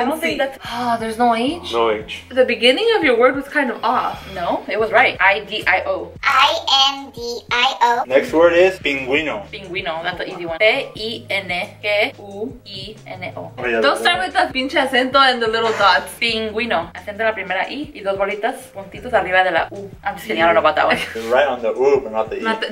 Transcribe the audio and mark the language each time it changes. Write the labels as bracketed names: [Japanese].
[English] I don't think that's... Oh, there's no H? No H. The beginning of your word was kind of off. No, it was right. I-D-I-O. I-N-D-I-O. Next word is pinguino. Pinguino, that's the easy one. P-I-N-G-U-I-N-O. Don't start with the [Spanish] pinche acento [English] and the little dots. [Spanish] Pinguino. Acento la primera I y dos bolitas puntitos arriba de la U. [English] I'm just kidding, I don't know about that one. Right on the U, but not the E.